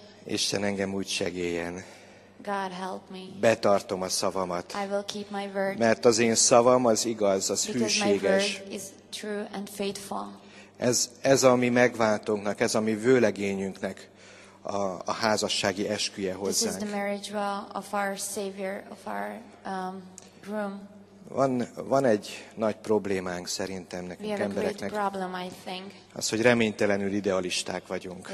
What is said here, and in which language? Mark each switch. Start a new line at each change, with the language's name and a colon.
Hungarian: Isten engem úgy segéljen.
English: God help me.
Hungarian: Betartom a szavamat.
English: I will keep my word.
Hungarian: Mert az én szavam az igaz, az
English: because
Hungarian: hűséges.
English: My word is true and faithful.
Hungarian: Ez a mi megváltónknak, ez a mi vőlegényünknek a házassági esküje hozzánk.
English: This is the marriage vow of our Savior, of our groom.
Hungarian: Van egy nagy problémánk szerintem nekünk embereknek.
English: We have a great problem, I think.
Hungarian: Az, hogy reménytelenül idealisták vagyunk.